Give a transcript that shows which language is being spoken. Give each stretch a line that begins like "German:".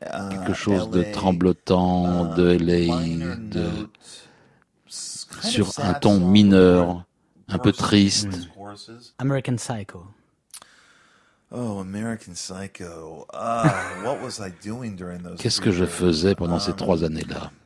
French: Quelque chose de tremblotant, de LA, de, sur un ton mineur, un peu triste.
English: American Psycho. Oh, American Psycho. What was I doing during those?
French: Qu'est-ce que je faisais pendant ces trois années-là?